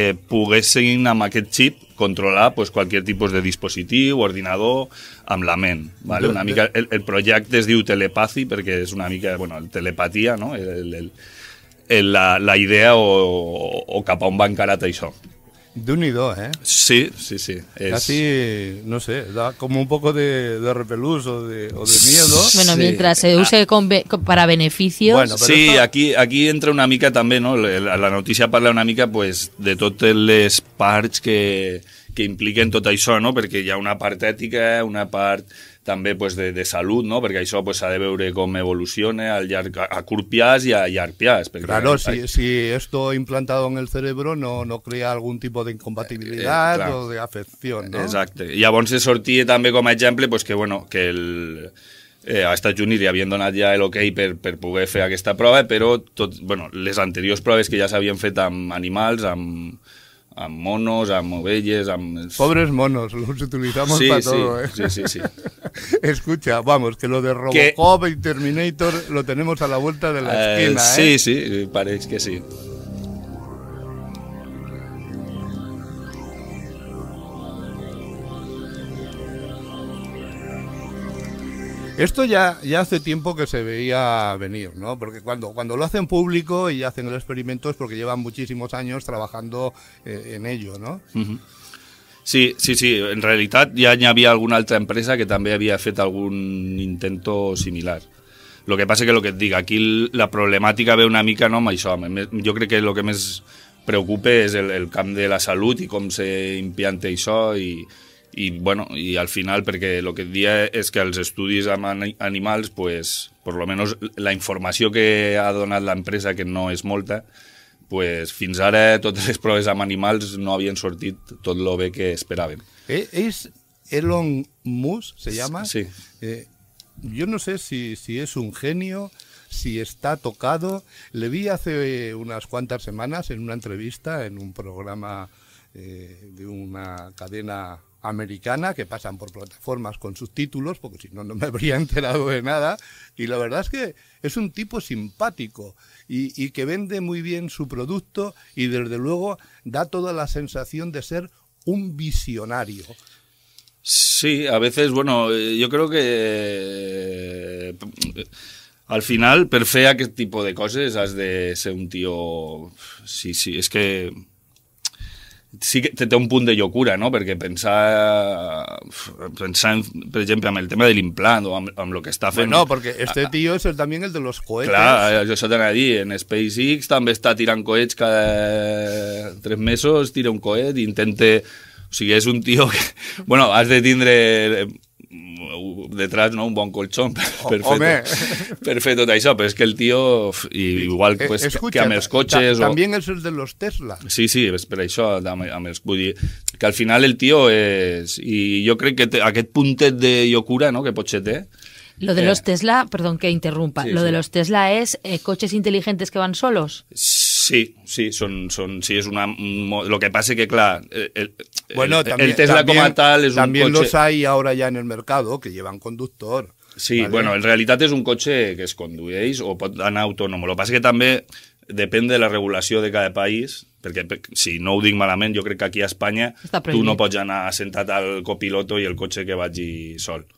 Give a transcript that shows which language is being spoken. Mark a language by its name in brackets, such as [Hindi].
[Catalan] Poguessin amb aquest xip controlar, pues, qualsevol tipus de dispositiu, ordinador, amb la ment. ¿Vale? Una mica, el projecte es diu Telepathy, perquè és una mica, bueno, telepatia, no? La idea o cap a on va encarat això. Déu-n'hi-do, eh? Sí, sí, sí. És... [Spanish] Casi, no sé, da como un poco de repelús o de miedo. Bueno, sí. Mientras se use para beneficios. Bueno, [Catalan] sí, esto... aquí entra una mica també, no? La notícia parla una mica, pues, de totes les parts que impliquen tot això, no? Perquè hi ha una part ètica, una part també, pues, de salut, no? Perquè això, pues, s'ha de veure com evoluciona al llarg, a curt piàs i a llarg piàs. Perquè, [Spanish] claro, si esto implantado en el cerebro no crea algún tipo de incompatibilidad o de afección, ¿no? [Catalan] Exacte. I llavors sortia també com a exemple, pues, que, bueno, que el... a Estats Units li havien donat ja l'ok per poder fer aquesta prova, però tot, bueno, les anteriors proves que ja s'havien fet amb animals, amb monos, amb ovelles, amb... [Spanish] Pobres monos, los utilizamos, sí, para todo, sí, ¿eh? Sí, sí, sí. Escucha, vamos, que lo de Robocop y Terminator lo tenemos a la vuelta de la esquina, sí, ¿eh? Sí, sí, pareix que sí. Esto ya hace tiempo que se veía venir, ¿no? Porque cuando lo hacen público y hacen el experimento es porque llevan muchísimos años trabajando en ello, ¿no? Sí, sí, sí. [Catalan] En realitat ja hi havia alguna altra empresa que també havia fet algun intento similar. [Spanish] Lo que pasa es que lo que et digo, aquí la problemática ve una mica, ¿no? [Catalan] Això, jo crec que lo que més preocupa és el camp de la salut i com se implanta això i bueno, i al final, perquè el que et deia és que els estudis amb animals, pues, per lo menos la informació que ha donat l'empresa, que no és molta, pues, fins ara totes les proves amb animals no havien sortit tot lo bé que esperaven. [Spanish] És Elon Musk, se llama? Sí. Yo no sé si es un genio, si está tocado. Le vi hace unas cuantas semanas en una entrevista en un programa de una cadena americana, que pasan por plataformas con subtítulos, porque si no me habría enterado de nada, y la verdad es que es un tipo simpático y que vende muy bien su producto y desde luego da toda la sensación de ser un visionario. Sí, a veces, bueno, yo creo que al final, [Catalan] per fer aquest tipus de coses has de ser un tío, sí, sí, es que sí que té un punt de llocura, no? Perquè pensar en, per exemple, amb el tema de l'implant o amb el que està fent... [Spanish] Bueno, [Catalan] perquè este tío és [Spanish] també el de los cohetes. [Catalan] Clar, jo això t'anava a dir, en SpaceX també està tirant coets cada 3 mesos, tira un coet i intenta... O sigui, és un tío que... Bueno, has de tindre detrás, no, un bon colchón perfecto de això, pero es que el tío igual, pues, [Spanish] escucha, [Catalan] que amb els cotxes [Spanish] también es el de los Tesla. [Catalan] Sí, sí, espera, això amb els, vull dir, que al final el tío és, i jo crec que aquest puntet de llocura, no, que potser té. [Spanish] Lo de los Tesla, perdón que interrumpa, sí, lo de los Tesla es coches inteligentes que van solos. Sí, sí, son sí, es una, lo que pasa es que, claro, bueno, el Tesla también, como tal es también un coche... los hay ahora ya en el mercado que llevan conductor. Sí, ¿vale? Bueno, en realidad es un coche que es conduéis o tan autónomo. Lo que pasa es que también depende de la regulación de cada país. [Catalan] Perquè, si no ho dic malament, jo crec que aquí a Espanya tu no pots anar sentat al copiloto i el cotxe que vagi sol.